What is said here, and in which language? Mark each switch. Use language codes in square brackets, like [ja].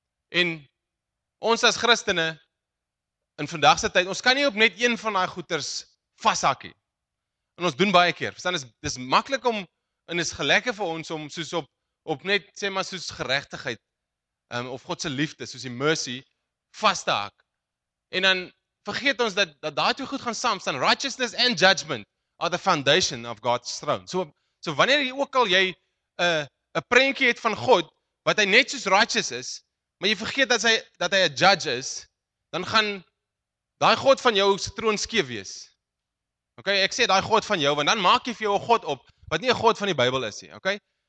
[af] En ons as Christene in vandag se tyd, ons kan nie op net een van daai goeters vashak nie. En ons doen baie keer. Verstaan, dis maklik om en is gelukkig vir ons om soos op net sê maar soos geregtigheid of God se liefde, soos die mercy vas te hak. En dan vergeet ons dat daai twee goed gaan saam staan. [en] Righteousness and judgment are the foundation of God's throne. [af] So wanneer jy ook al jy 'n prentjie het van God wat hy net soos righteous is, maar jy vergeet dat hy 'n judge is, dan gaan daai God van jou se troon skeef wees. Okay, ek sê daai God van jou, want dan maak jy vir jou 'n God op wat nie 'n God van die Bybel is nie, okay?